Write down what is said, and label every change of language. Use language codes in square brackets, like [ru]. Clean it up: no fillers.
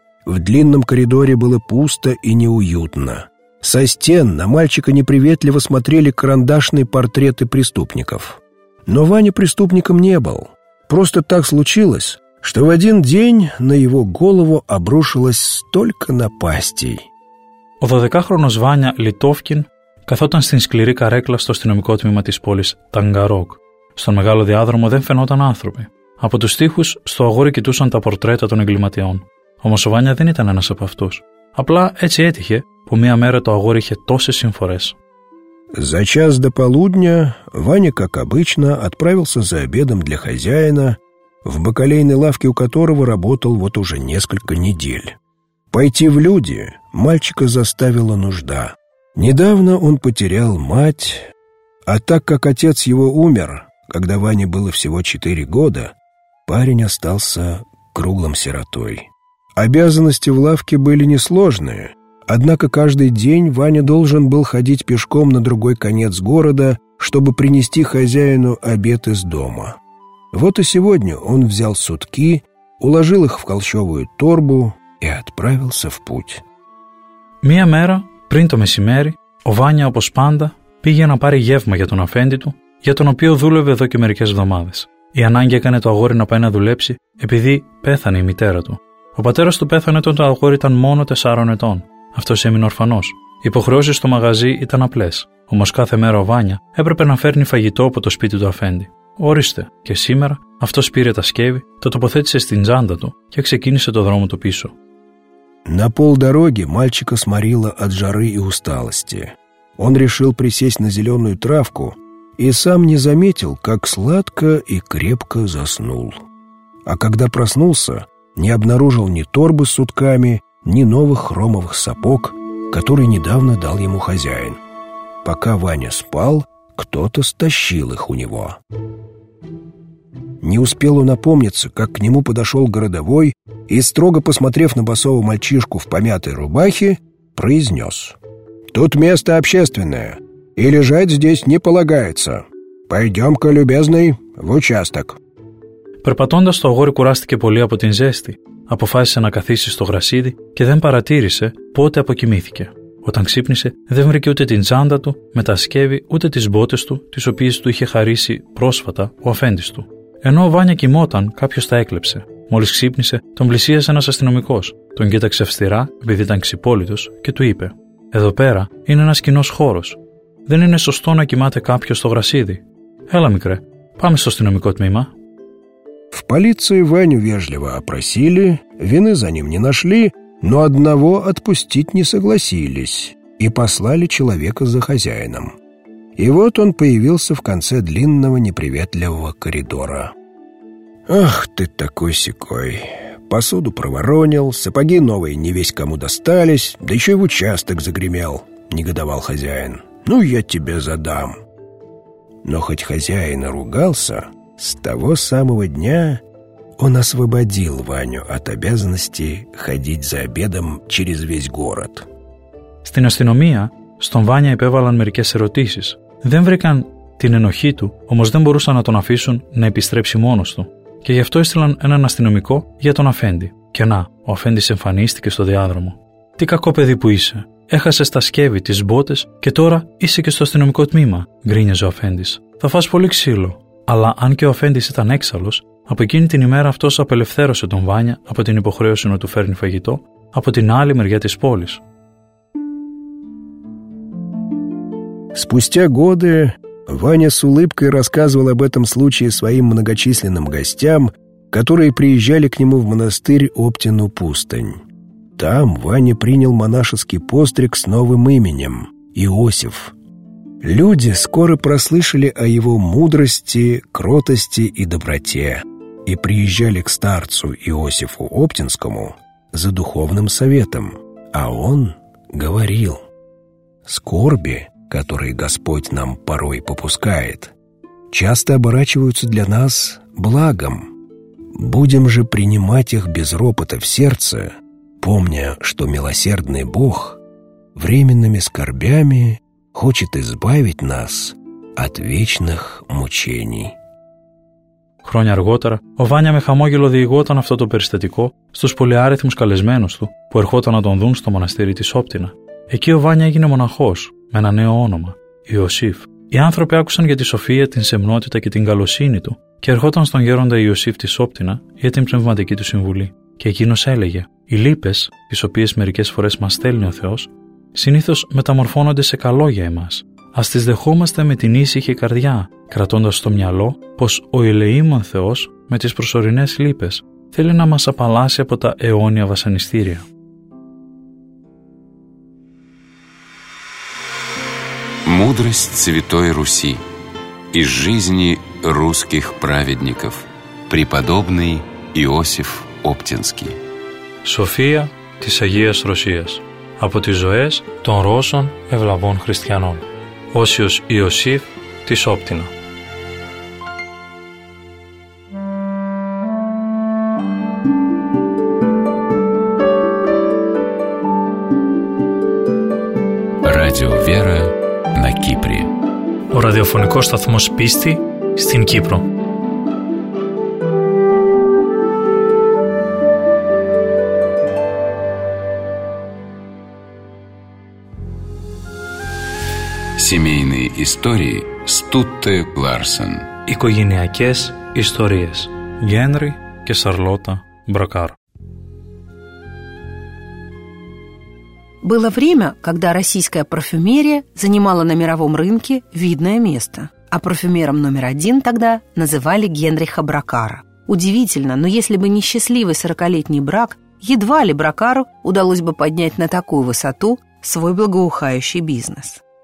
[ru] В длинном коридоре было пусто и неуютно. Со стен на мальчика неприветливо смотрели карандашные портреты преступников. Но Ваня преступником не был. Просто так случилось, что в один день на его голову обрушилось столько напастей. 12-летний [el] Ваня Литовкин καθόταν στην σκληρή καρέκλα στο αστυνομικό τμήμα της πόλης Ταγκαρόγκ. Στον μεγάλο διάδρομο δεν φαινόταν άνθρωποι. Από τους τοίχους στο αγόρι κοιτούσαν τα πορτρέτα των εγκληματιών. Όμως ο Βάνια δεν ήταν ένας από αυτούς. Απλά έτσι έτυχε που μία μέρα το αγόρι είχε τόσες συμφορές. [ru] За час до полудня Ваня, как обычно, отправился за обедом для хозяина, в бакалейной лавке у которого работал вот уже несколько недель. Пойти в люди мальчика заставила нужда. Недавно он потерял мать, а так как отец его умер, когда Ване было всего 4 года, парень остался круглым сиротой. Обязанности в лавке были несложные, однако каждый день Ваня должен был ходить пешком на другой конец города, чтобы принести хозяину обед из дома. Вот и сегодня он взял сутки, уложил их в холщовую торбу и отправился в путь. [el] Мия мэра. Πριν το μεσημέρι, ο Βάνια, όπως πάντα, πήγε να πάρει γεύμα για τον αφέντη του, για τον οποίο δούλευε εδώ και μερικές εβδομάδες. Η ανάγκη έκανε το αγόρι να πάει να δουλέψει, επειδή πέθανε η μητέρα του. Ο πατέρας του πέθανε όταν το αγόρι ήταν μόνο 4 ετών. Αυτός έμεινε ορφανός. Οι υποχρεώσεις στο μαγαζί ήταν απλές. Όμως κάθε μέρα ο Βάνια έπρεπε να φέρνει φαγητό από το σπίτι του αφέντη. Ορίστε, και σήμερα αυτός πήρε τα σκεύη, το τοποθέτησε στην τσάντα του και ξεκίνησε το δρόμο του πίσω. [ru] На полдороги мальчика сморило от жары и усталости. Он решил присесть на зеленую травку и сам не заметил, как сладко и крепко заснул. А когда проснулся, не обнаружил ни торбы с сутками, ни новых хромовых сапог, которые недавно дал ему хозяин. Пока Ваня спал, кто-то стащил их у него. Не успел он опомниться, как к нему подошел городовой и, строго посмотрев на босого мальчишку в помятой рубахе, произнес: «Тут место общественное, и лежать здесь не полагается. Пойдем-ка, любезный, в участок». [el] Περπατώντας, το αγόρι κουράστηκε πολύ από την ζέστη. Αποφάσισε να καθίσει στο γρασίδι και δεν παρατήρησε πότε αποκοιμήθηκε. Όταν ξύπνησε, δεν βρήκε ούτε την τσάντα του με τα σκεύη, ούτε τις μπότες του, τις οποίες του είχε χαρίσει πρόσφατα ο αφέντης του. Ενώ ο Βάνια κοιμόταν, κάποιος τα έκλεψε. Μόλις ξύπνησε, τον πλησίασε ένας αστυνομικός. Τον κοίταξε αυστηρά, επειδή ήταν ξυπόλυτος, και του είπε: «Εδώ πέρα είναι ένας κοινός χώρος. Δεν είναι σωστό να κοιμάται κάποιος στο γρασίδι. Έλα, μικρέ, πάμε στο αστυνομικό τμήμα». [ru] В полиции Ваню вежливо опросили, вины за ним не нашли, но одного отпустить не согласились и послали человека за хозяином. И вот он появился в конце длинного неприветливого коридора. «Ах ты такой-сякой! Посуду проворонил, сапоги новые не весь кому достались, да еще и в участок загремел», — негодовал хозяин. «Ну, я тебе задам». Но хоть хозяин и ругался, с того самого дня он освободил Ваню от обязанности ходить за обедом через весь город. [el] Στην αστυνομία, στον Βάνια επέβαλαν μερικές ερωτήσεις. Δεν βρήκαν την ενοχή του, όμως δεν μπορούσαν να τον αφήσουν να επιστρέψει μόνος του. Και γι' αυτό έστειλαν έναν αστυνομικό για τον αφέντη. Και να, ο αφέντης εμφανίστηκε στο διάδρομο. «Τι κακό παιδί που είσαι. Έχασες τα σκεύη, τις μπότες και τώρα είσαι και στο αστυνομικό τμήμα», γκρίνιαζε ο αφέντης. «Θα φας πολύ ξύλο». Αλλά αν και ο αφέντης ήταν έξαλλος, από εκείνη την ημέρα αυτός απελευθέρωσε τον Βάνια από την υποχρέωση να του φέρνει φαγητό από την άλλη μεριά της πόλης. [ru] Спустя годы Ваня с улыбкой рассказывал об этом случае своим многочисленным гостям, которые приезжали к нему в монастырь Оптину Пустынь. Там Ваня принял монашеский постриг с новым именем – Иосиф. Люди скоро прослышали о его мудрости, кротости и доброте и приезжали к старцу Иосифу Оптинскому за духовным советом, а он говорил: «Скорби, которые Господь нам порой попускает, часто оборачиваются для нас благом. Будем же принимать их без ропота в сердце, помня, что милосердный Бог временными скорбями хочет избавить нас от вечных мучений». [el] Χρόνια αργότερα, ο Βάνια με χαμόγελο διηγόταν αυτό το περιστατικό στους πολυάριθμους καλεσμένους του που ερχόταν να τον δουν στο μοναστήρι της Όπτινα. Εκεί ο Βάνια έγινε μοναχός με ένα νέο όνομα, Ιωσήφ. Οι άνθρωποι άκουσαν για τη σοφία, την σεμνότητα και την καλοσύνη του και ερχόταν στον γέροντα Ιωσήφ της Όπτινα για την πνευματική του συμβουλή. Και εκείνος έλεγε: «Οι λύπες, τις οποίες μερικές φορές μας στέλνει ο Θεός, συνήθως μεταμορφώνονται σε καλό για εμάς. Ας τις δεχόμαστε με την ήσυχη καρδιά, κρατώντας στο μυαλό πως ο ηλεήμων Θεός με τις προσωρινές λύπες θέλει να μας απαλλάσει από τα αιώνια βασανιστήρια». [ru] Мудрость Святой Руси из жизни русских праведников, преподобный Иосиф Оптинский. [el] Σοφία της Αγίας Ρωσίας από τις ζωές των Ρώσων ευλαβών χριστιανών. Όσιος Ιωσήφ της Όπτινα. [ru] Radio Vera na Kypri. [el] Ο ραδιοφωνικός σταθμός πίστη στην Κύπρο. [ru] Семейные истории Стутте Ларсен. [el] Οικογενειακές ιστορίες. Γένρι και Σαρλότα Μπρακάρ. [ru] Было время, когда российская парфюмерия занимала на мировом рынке видное место. А парфюмером номер один тогда называли Генриха Бракара. Удивительно, но если бы не счастливый 40-летний брак, едва ли Бракару удалось бы поднять на такую высоту свой благоухающий бизнес.